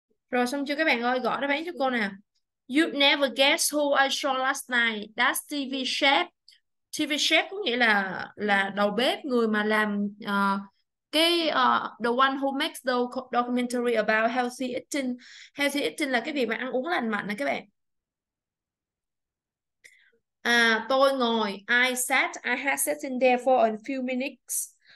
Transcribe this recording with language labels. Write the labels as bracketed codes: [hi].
[vi] Rồi xong chưa các bạn ơi, gõ đáp án cho cô nè. [en] You never guess who I saw last night. That's TV chef. [vi] TV chef có nghĩa là đầu bếp, người mà làm cái [en] the one who makes the documentary about healthy eating. [vi] Healthy eating là cái việc mà ăn uống lành mạnh nè các bạn. À, tôi ngồi, [en] I had sat in there for a few minutes.